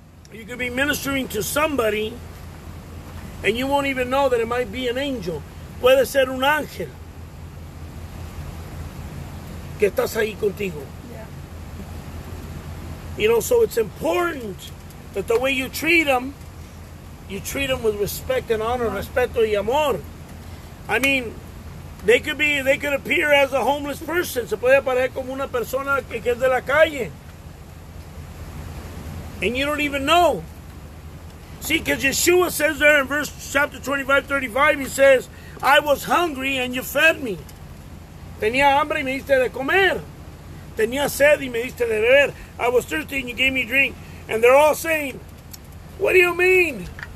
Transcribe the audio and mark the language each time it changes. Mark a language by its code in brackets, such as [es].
[en] Be ministering to somebody and you won't even know that it might be an angel. [es] Puede ser un ángel que estás ahí contigo. [en] Yeah. You know, so it's important that the way you treat them with respect and honor, right. [es] Respeto y amor. [en] I mean, they could appear as a homeless person. [es] Se puede aparecer como una persona que es de la calle. [en] And you don't even know. See, because Yeshua says there in verse chapter 25, 35, he says, I was hungry and you fed me. [es] Tenía hambre y me diste de comer. Tenía sed y me diste de beber. [en] I was thirsty and you gave me drink. And they're all saying, what do you mean?